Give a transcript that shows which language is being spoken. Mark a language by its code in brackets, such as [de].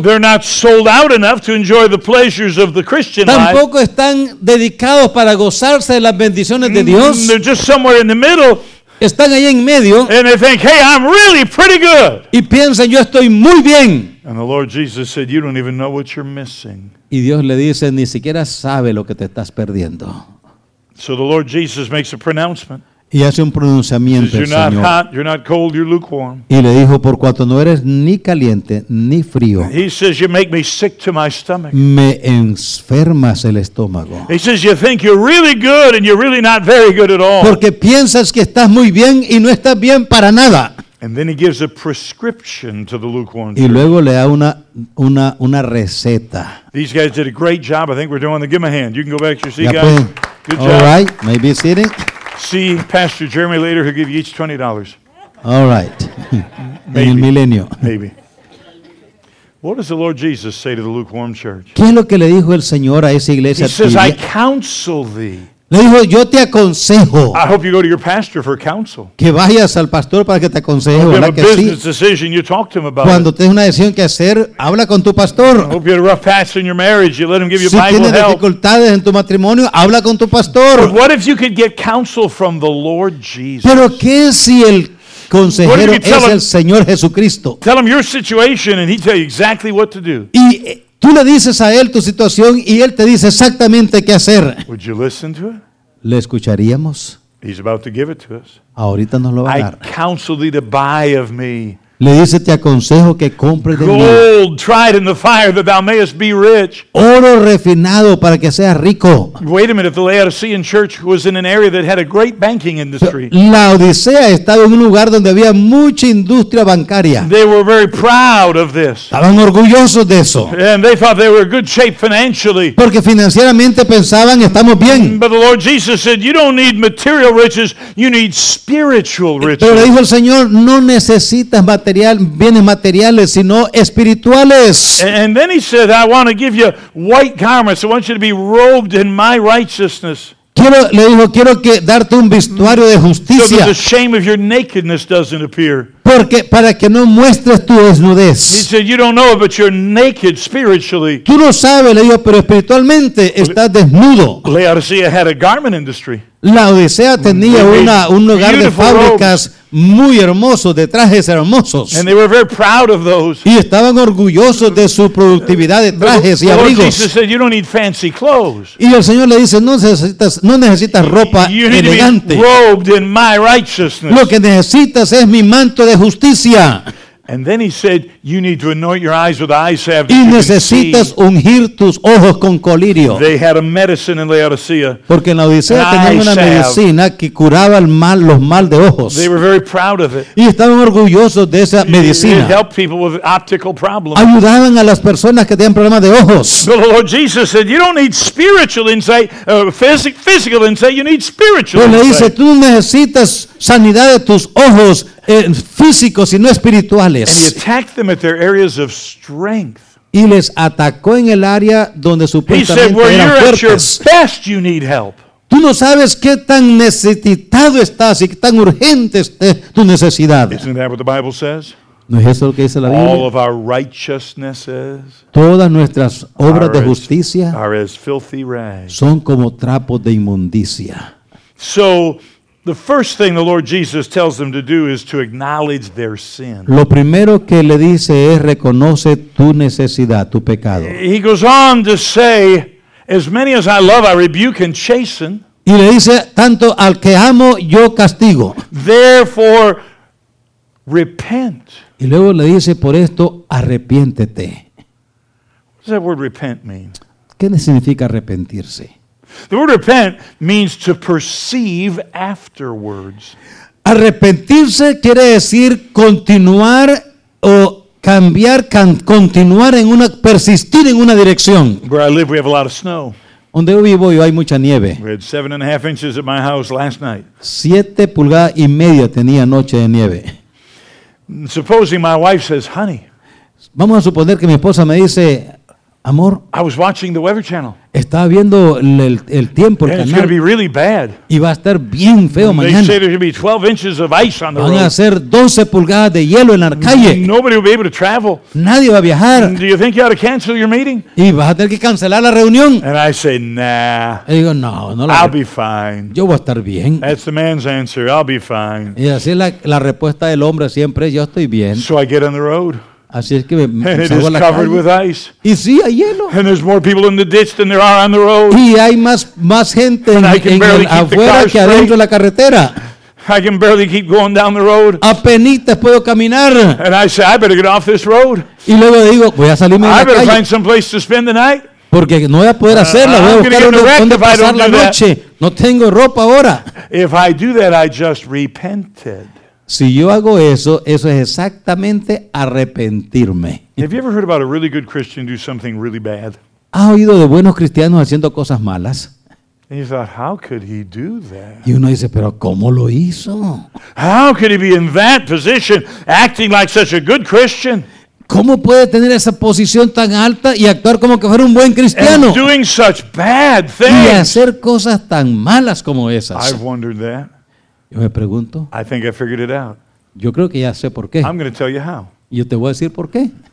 [en] They're not sold out enough to enjoy the pleasures of the Christian [es] Tampoco [en] life. [es] Están dedicados para gozarse de las bendiciones de Dios. [en] They're just somewhere in the middle. [es] Están ahí en medio. [en] And they think, hey, I'm really pretty good. [es] Y piensan, yo estoy muy bien. [en] And the Lord Jesus said, you don't even know what you're missing. [es] Y Dios le dice, ni siquiera sabe lo que te estás perdiendo. [en] So the Lord Jesus makes a pronouncement. [es] Y hace un pronunciamiento, [en] says, you're not hot, you're not cold, you're lukewarm. [es] Y le dijo, por cuanto no eres ni caliente ni frío. [en] He says, you make me sick to my stomach. [es] Me enfermas el estómago. [en] He says, you think you're really good and you're really not very good at all. [es] Porque piensas que estás muy bien y no estás bien para nada. [en] And then he gives a prescription to the lukewarm. [es] Y luego le da una receta. [en] These guys did a great job. I think we're doing the give him a hand. You can go back to your seat, [es] ya [en] guys. [es] Pueden. [en] Good job. All right, maybe sitting. See Pastor Jeremy later. He'll give you each $20. All right. Maybe. [es] En el milenio. [en] Maybe. What does the Lord Jesus say to the lukewarm church? [es] ¿Qué es lo que le dijo el Señor a esa iglesia? [en] He says, "I counsel thee." [es] Le dijo, yo te aconsejo. [en] I hope you go to your pastor for counsel. [es] Que vayas al pastor para que te aconseje. [en] If you have a business [es] que sí. [en] decision, you talk to him about [es] Cuando [en] it. [es] Tienes una decisión que hacer, habla con tu pastor. [en] I hope you had a rough patch in your marriage, you let him give you [es] si [en] Bible [es] tienes [en] help. [es] Dificultades en tu matrimonio, habla con tu pastor. [en] But what if you could get counsel from the Lord Jesus? [es] Pero qué si el consejero es el Señor Jesucristo. [en] Tell him your situation and he'll tell you exactly what to do. [es] Y tú le dices a él tu situación y él te dice exactamente qué hacer. [en] Would you listen to it? [es] ¿Le escucharíamos? [en] He's about to give it to us. [es] Ahorita nos lo va a dar. [en] I counsel thee to buy of me. [es] Le dice, te aconsejo que compres de mí. [en] Gold tried in the fire that thou mayest be rich. [es] Oro refinado para que seas rico. [en] Wait a minute, the Laodicean church was in an area that had a great banking industry. [es] La Odisea estaba en un lugar donde había mucha industria bancaria. [en] They were very proud of this. [es] Estaban orgullosos de eso. [en] And they thought they were in good shape financially. [es] Porque financieramente pensaban, estamos bien. [en] But the Lord Jesus said, you don't need material riches, you need spiritual riches. [es] Pero le dijo el Señor, no necesitas material, bienes materiales, sino espirituales. [en] And then he said, I want to give you white garments. I want you to be robed in my righteousness. [es] Le dijo, quiero que darte un vestuario de justicia. [en] So that the shame of your nakedness doesn't appear. [es] Porque para que no muestres tu desnudez. [en] He said, you don't know, but you're naked spiritually. [es] Tú no sabes, le dijo, pero espiritualmente estás desnudo. [en] Laodicea had a garment industry. [es] La Odisea tenía un lugar de fábricas muy hermoso, de trajes hermosos. [en] And they were very proud of those. [es] Y estaban orgullosos de su productividad de trajes y abrigos. [en] Jesus said, you don't need fancy clothes. [es] Y el Señor le dice, no necesitas ropa [en] you need [es] elegante. [en] To be robed in my righteousness. [es] Lo que necesitas es mi manto de justicia. [en] And then he said, you need to anoint your eyes with eye salve. [es] Y necesitas ungir tus ojos con colirio. [en] They had a medicine in Laodicea. [es] Porque en la Odisea tenían una medicina que curaba los mal de ojos. [en] They were very proud of it. [es] Y estaban orgullosos de esa medicina. [en] It helped people with optical problems. [es] Ayudaban a las personas que tenían problemas de ojos. [en] But the Lord Jesus said, you don't need spiritual insight, physical insight, you need spiritual insight. [es] Pero le dice, tú necesitas sanidad de tus ojos físicos y no espirituales. [en] And he attacked them at their areas of strength. [es] Y les atacó en el área donde supuestamente eran fuertes. [en] He said, where you're at your best, you need help. [es] Tú no sabes qué tan necesitado estás y qué tan urgente es tu necesidad. [en] Isn't that what the Bible says? [es] ¿No es eso lo que dice la Biblia? [en] All of our righteousnesses, [es] todas nuestras obras de justicia [en] are as filthy rags. [es] Son como trapos de inmundicia. [en] So the first thing the Lord Jesus tells them to do is to acknowledge their sin. [es] Lo primero que le dice es reconoce tu necesidad, tu pecado. [en] He goes on to say, as many as I love, I rebuke and chasten. [es] Y le dice, tanto al que amo, yo castigo. [en] Therefore, repent. [es] Y luego le dice, por esto, arrepiéntete. [en] What does that word repent mean? [es] ¿Qué significa arrepentirse? [en] The word repent means to perceive afterwards. [es] Arrepentirse quiere decir continuar o cambiar, continuar en una, persistir en una dirección. [en] Where I live, we have a lot of snow. [es] Donde vivo yo hay mucha nieve. [en] We had 7.5 inches at my house last night. [es] 7.5 pulgadas tenía anoche de nieve. [en] Supposing my wife says, honey. [es] Vamos a suponer que mi esposa me dice, Amor, [en] I was watching the Weather Channel. [es] Estaba viendo el tiempo, el canal. [en] It's going to be really bad. [es] Y va a estar bien feo mañana. [en] They say there's going to be 12 inches of ice on the road. [es] Van a hacer 12 pulgadas de hielo en la calle. [en] Nobody will be able to travel. [es] Nadie va a viajar. [en] Do you think you ought to cancel your meeting? [es] Y vas a tener que cancelar la reunión. [en] And I say, nah. [es] Y digo, no, no la [en] I'll be fine. [es] Yo voy a estar bien. [en] That's the man's answer. I'll be fine. [es] Y así la respuesta del hombre siempre es, yo estoy bien. [en] So I get on the road. [es] Así es que [en] and it is covered with ice. [es] Y sí, hay hielo. [en] And there's more people in the ditch than there are on the road. [es] Y hay más gente afuera que adentro de la carretera. [en] I can barely keep going down the road. [es] Apenitas puedo caminar. [en] And I say, I better get off this road. [es] Y luego digo, voy a salirme de la calle. [en] I better find some place to spend the night. [es] Porque no voy a poder hacerlo. Voy a buscar dónde pasar la noche. No tengo ropa ahora. [en] If I do that, I just repented. [es] Si yo hago eso, eso es exactamente arrepentirme. [en] Have you ever heard about a really good Christian do something really bad? [es] ¿Ha oído de buenos cristianos haciendo cosas malas? [en] And you thought, how could he do that? [es] Y uno dice, pero ¿cómo lo hizo? [en] How could he be in that position, acting like such a good Christian? [es] ¿Cómo puede tener esa posición tan alta y actuar como que fuera un buen cristiano? [en] And doing such bad things. [es] Y hacer cosas tan malas como esas. [en] I've wondered that. [es] Yo me pregunto. [en] I think I figured it out. [es] Yo creo que ya sé por qué. [en] I'm going to tell you how. [es] Yo te voy a decir por qué.